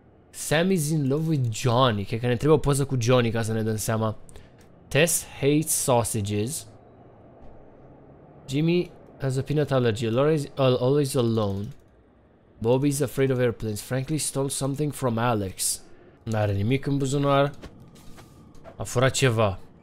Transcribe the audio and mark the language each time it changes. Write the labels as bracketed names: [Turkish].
[English] Sam is in love with Johnny. [Romanian] Cred că ne trebuie o poză cu Johnny ca să ne dăm seama. [English] Tess hates sausages. Jimmy has a peanut allergy. Laura is always alone. Bobby is afraid of airplanes. Frankly stole something from Alex. [Romanian] N-are nimic în buzunar. A furat ceva.